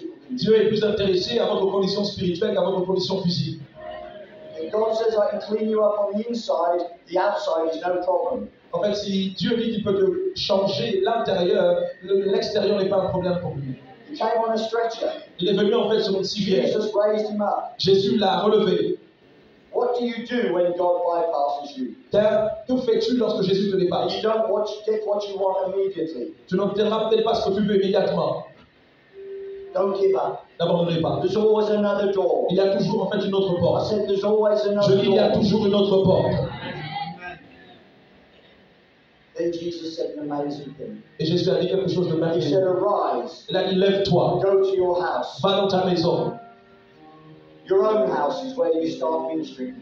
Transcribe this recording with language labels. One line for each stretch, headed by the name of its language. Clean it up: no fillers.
French: Dieu est plus intéressé à votre condition spirituelle qu'à votre condition physique.
English: God says I can clean you up on the inside. The outside is no problem.
French: En fait, si Dieu dit qu'il peut te changer l'intérieur, l'extérieur n'est pas un problème pour lui.
English: He came on a stretcher.
French: Il est venu en fait sur une civière.
English: Jesus raised him up.
French: Jésus l'a relevé.
English: What do you do when God bypasses you?
French: Que fais-tu lorsque Jésus te dépasse?
English: You don't want to get what you want immediately.
French: Tu n'obtiendras peut-être pas ce que tu veux immédiatement.
English: Don't give up.
French: N'abandonnez pas.
English: There's always another door.
French: Il y a toujours en fait une autre porte.
English: I said, there's always another
French: Je dis, il y a toujours une autre porte.
English: Then Jesus said an amazing thing.
French: Et Jésus a dit quelque chose de magnifique.
English: He said, arise.
French: Il a dit, lève-toi.
English: Go to your house.
French: Va dans ta maison.
English: Your own house is where you start ministry.